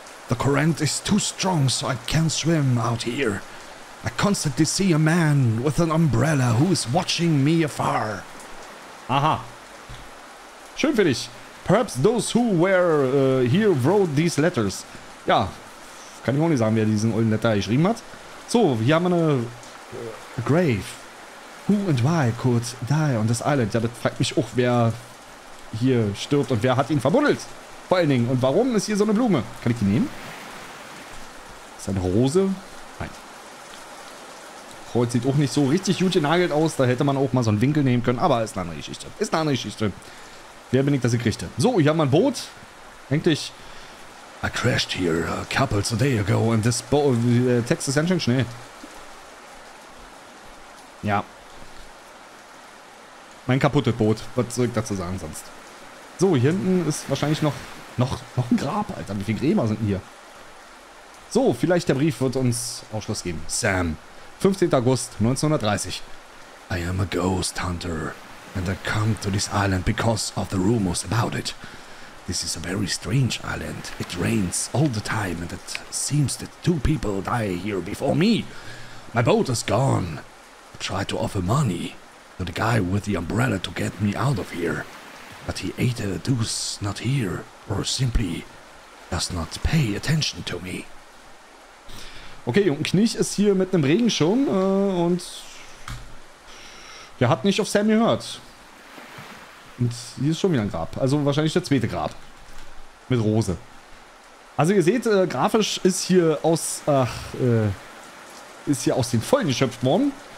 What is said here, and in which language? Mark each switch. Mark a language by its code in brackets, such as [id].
[en] The current is too strong, so I can't swim out here. I constantly see a man with an umbrella who is watching me afar. [de] Aha. Schön für dich. [en] Perhaps those who were here wrote these letters. [de] Ja, kann ich auch nicht sagen, wer diesen alten Letter geschrieben hat. So, hier haben wir eine Grave. [en] Who and why could die on this island? [de] Ja, das fragt mich auch, wer hier stirbt und wer hat ihn verbuddelt. Vor allen Dingen. Und warum ist hier so eine Blume? Kann ich die nehmen? Ist eine Rose? Nein. Kreuz sieht auch nicht so richtig gut genagelt aus. Da hätte man auch mal so einen Winkel nehmen können. Aber ist eine andere Geschichte. Ist eine andere Geschichte. Wer bin ich, dass ich richte? So, ich habe mein Boot. Eigentlich. [en] I crashed here a couple of days ago and this boat. [de] Der Text ist ganz schön schnell. Ja. Mein kaputtes Boot. Was soll ich dazu sagen sonst? So, hier hinten ist wahrscheinlich noch ein Grab, Alter. Wie viele Gräber sind hier? So, vielleicht der Brief wird uns Ausschluss geben. [en] Sam, 15. August 1930. I am a ghost hunter. And I come to this island because of the rumors about it. This is a very strange island. It rains all the time and it seems that two people die here before me. My boat is gone. I tried to offer money to the guy with the umbrella to get me out of here. But he either does not hear or simply does not pay attention to me. [de] Okay, und Knich ist hier mit einem Regenschirm und er hat nicht auf Sam gehört. Und hier ist schon wieder ein Grab. Also wahrscheinlich der zweite Grab. Mit Rose. Also ihr seht, grafisch ist hier aus... ist hier aus den Vollen geschöpft worden.